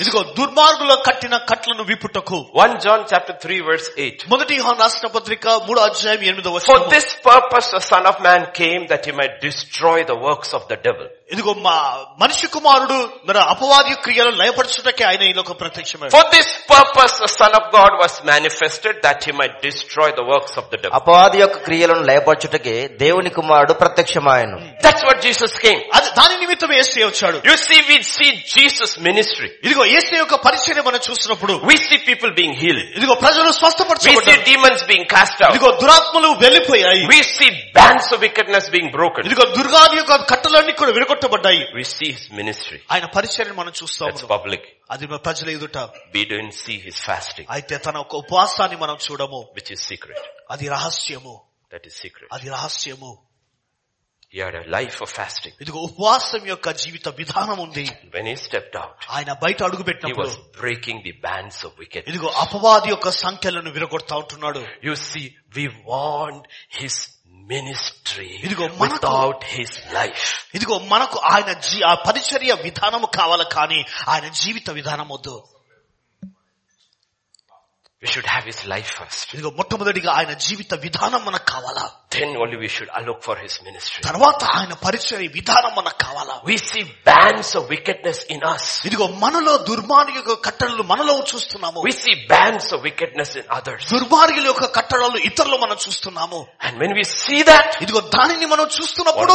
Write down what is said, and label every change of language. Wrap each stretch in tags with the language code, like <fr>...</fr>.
<te>ఇదిగో దుర్మార్గులు కట్టిన కట్లను విప్పుటకు.</te> <en>1 John 3:8.</en> <te>మొదటి యోహాను రాష్ట్ర పత్రిక 3:8.</te> <en>For this purpose the Son of Man came, that he might destroy the works of the devil.</en> <te>ఇదిగో మా మనిషి కుమారుడు మన అపవాది క్రియలను లయపరచుటకే ఆయన ఈలోక ప్రత్యక్షమైన.</te> <en>For this purpose the son of God was manifested that he might destroy the works of the devil.</en> <te>అపవాది యొక్క క్రియలను లయపరచుటకే దేవుని కుమారుడు ప్రత్యక్షమాయను.</te> <en>That's what Jesus came.</en> <te>అది దాని నిమిత్తం యేసయ్య వచ్చాడు.</te> <en>You see, we see Jesus ministry.</en> <te>ఇదిగో యేసయ్య యొక్క పరిచర్య మనం చూసినప్పుడు</te> <en>we see people being healed.</en> <te>ఇదిగో ప్రజలు స్వస్థపరచబడ్డారు.</te> <en>We see demons being cast out.</en> <te>ఇదిగో దురాత్మలు వెళ్లిపోయాయి.</te> <en>We see bands of wickedness being broken.</en> <te>ఇదిగో దుర్గాది యొక్క కట్టలన్నీ కూడా విడగొట్టబడ్డాయి.</te> <en>We see his ministry.</en> <te>ఆయన పరిచర్యను మనం చూస్తాం.</te> <en>It's public.</en> <te>అది ప్రజల ఎదుట.</te> <en>We don't see his fasting.</en> <te>అయితే తన ఒక ఉపవాసాన్ని మనం చూడము.</te> <en>Which is secret.</en> <te>అది రహస్యము.</te> <en>That is secret.</en> <te>అది రహస్యము.</te> <en>He had a life of fasting.</en> <te>ఇదిగో ఉపవాసం యొక్క జీవిత విధానం ఉంది.</te> <en>When he stepped out.</en> <te>ఆయన బయట అడుగు పెట్టినప్పుడు.</te> <en>He was breaking the bands of wickedness.</en> <te>ఇదిగో అపవాది యొక్క సంకెళ్లను విరగొడతా ఉన్నాడు.</te> <en>You see, we want his ministry without his life.</en> <te>ఇదిగో మనకు ఆయన ఆ పరిచర్య విధానము కావాలి కానీ ఆయన జీవిత విధానం వద్దు.</te> <en>We should have his life first.</en> <te>ఇదిగో మొట్టమొదటిగా ఆయన జీవిత విధానం మనకు కావాలా.</te> <en>Then only we should look for his ministry.</en> <te>తర్వాత ఆయన పరిచర్య విధానం మనకు కావాలా.</te> <en>We see bands of wickedness in us.</en> <te>ఇదిగో మనలో దుర్మార్గుల కట్టడలు మనలో చూస్తున్నాము.</te> <en>We see bands of wickedness in others.</en> <te>దుర్మార్గుల యొక్క కట్టడలు ఇతరులు మనం చూస్తున్నాము.</te> <en>And when we see that,</en> <te>ఇదిగో దానిని మనం చూస్తున్నప్పుడు,</te>